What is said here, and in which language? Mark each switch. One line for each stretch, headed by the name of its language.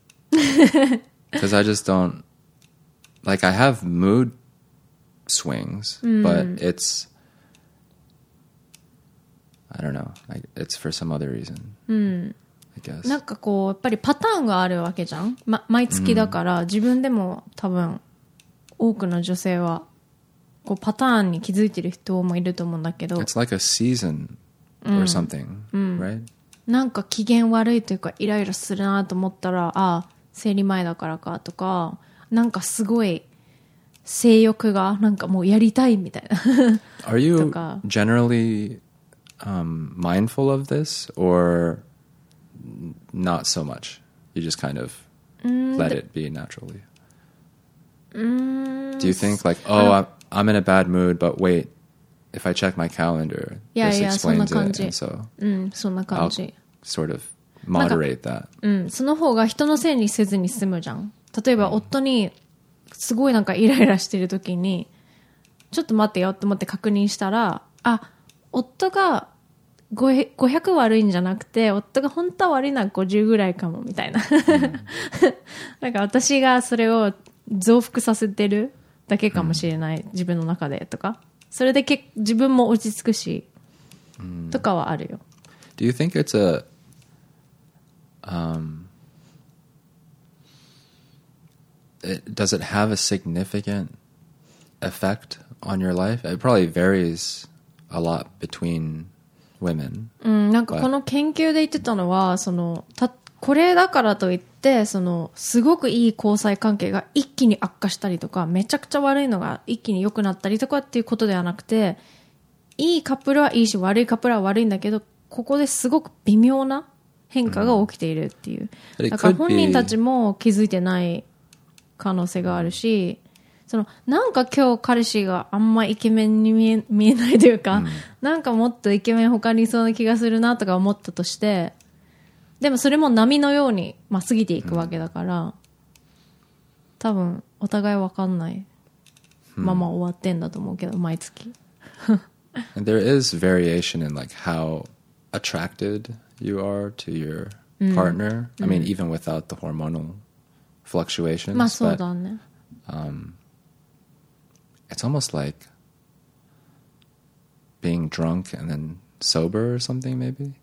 English: Because I just don't, like I have mood swings, but it's, I don't know, it's for some other reason.
Japanese: なんかこうやっぱりパターンがあるわけじゃん、毎月だから、自分でも多分多くの女性はこうパターンに気づいてる人もいると思うんだけど、
English: It's like a season or something、right?
Japanese: なんか機嫌悪いというか、イライラするなと思ったら、ああ生理前だからかとか、なんかすごい性欲がなんかもうやりたいみたいな。
English: Are you generally、mindful of this orNot so much. You just kind of let it be naturally. Do you think like, oh, I'm in a bad mood, but wait, if I check my calendar, this explains it. And so,
Japanese: そんな感じ。
English: I'll sort of moderate that.
Japanese: その方が人のせいにせずに済むじゃん。例えば夫にすごいなんかイライラしてる時に、ちょっと待ってよって思って確認したら、あ、夫が500悪いんじゃなくて、夫が本当は悪いのは50ぐらいかもみたいな、なんか私がそれを増幅させてるだけかもしれない、自分の中でとか、それで自分も落ち着くし、とかはあるよ。
English: Do you think it's a does it have a significant effect on your life? It probably varies a lot betweenWomen,
Japanese: なんかこの研究で言ってたのは、そのたこれだからといって、そのすごくいい交際関係が一気に悪化したりとか、めちゃくちゃ悪いのが一気に良くなったりとかっていうことではなくて、いいカップルはいいし、悪いカップルは悪いんだけど、ここですごく微妙な変化が起きているっていう。だから本人たちも気づいてない可能性があるし、そのなんか今日彼氏があんまイケメンに見えないというか、なんかもっとイケメン他にいそうな気がするなとか思ったとして、でもそれも波のように、過ぎていくわけだから、多分お互い分かんないまま終わってんだと思うけど、毎月。
English: And there is variation in like how attracted you are to your partner. I mean, even without the hormonal fluctuations.
Japanese: そうだね。
English: It's almost like being drunk and then sober or something, maybe.